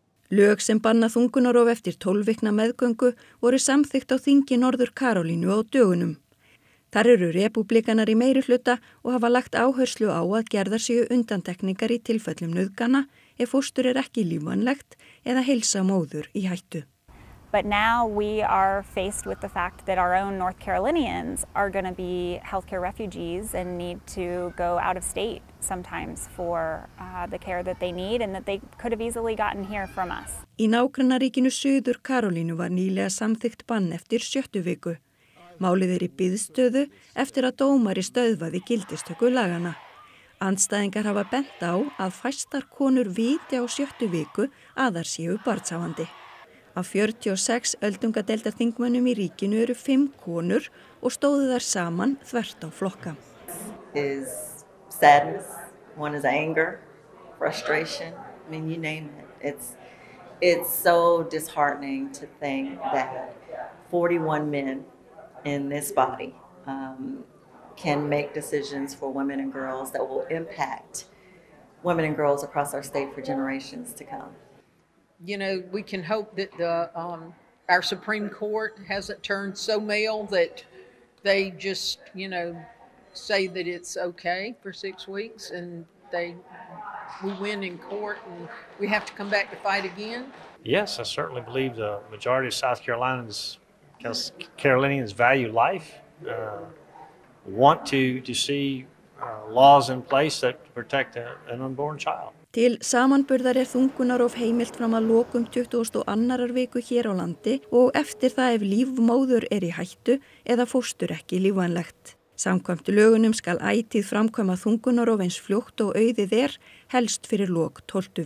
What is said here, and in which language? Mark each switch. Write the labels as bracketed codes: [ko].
[is] Lög sem banna þungunarof eftir 12 vikna meðgöngu voru samþykkt á þingi Norður Karolínu á dögunum. Þar eru republikanar í meiri hluta og hafa lagt áherslu á að gerða séu undantekningar í tilfellum nauðgana ef fóstur ekki lífvænlegt eða heilsa móður í hættu. [en] But now we are faced with the fact that our own North Carolinians are going to be healthcare refugees and need to go out of state sometimes for the care that they need and that they could have easily gotten here from us. [is] Í nágrannaríkinu Suður Karolínu var nýlega samþykkt bann eftir 7. viku. Málið í biðstöðu eftir að dómari stöðvaði gildistöku lagana. Andstæðingar hafa bent á að fæstar konur viti á 7. viku að þar séu barnshafandi. Af 46 öldungadeildar þingmönnum í ríkinu eru 5 konur og stóðu þar saman þvert á flokka. [en] Is sadness, one is anger, frustration, I mean you name it. It's so disheartening to think that 41 men in this body can make decisions for women and girls that will impact women and girls across our state for generations to come. You know, we can hope that the our Supreme Court hasn't turned so male that they just, you know, say that it's okay for 6 weeks and we win in court and we have to come back to fight again. Yes, I certainly believe the majority of South Carolinians because Carolinians value life, want to see laws in place that protect an unborn child. [is] Til samanburðar þungunarof heimilt fram að lokum 22. viku hér á landi og eftir það ef lífmóður í hættu eða fóstur ekki lífvænlegt. Samkvæmt lögunum skal ætíð framkvæma þungunarof eins fljótt og auðið helst fyrir lok 12.